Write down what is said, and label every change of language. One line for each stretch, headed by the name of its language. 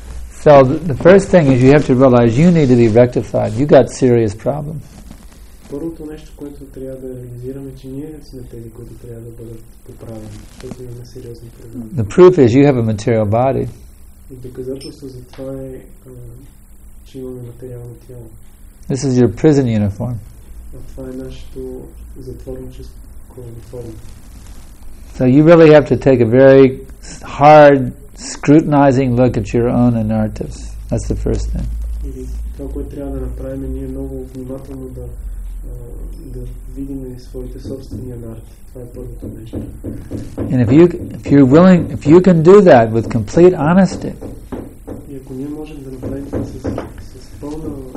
English: So the first thing is you have to realize you need to be rectified. You got serious problems.
Bulgarian: Първото нещо, което трябва да реализираме, че ние сме тези, които трябва да бъдат поправени, защото имаме сериозни проблеми.
English: The proof is you have a material body.
Bulgarian: И доказателство за това е, че имаме материално тяло.
English: This is your prison uniform.
Bulgarian: А това е нашето затворническо униформа.
English: So you really have to take a very hard scrutinizing look at your own inertness. That's the first thing.
Bulgarian: Това, което трябва да направим, ние много внимателно да видим своите собствени анарти. Това е първото нещо.
English: And if you can do that with complete honesty.
Bulgarian: И ако ние можем да направим това с пълна,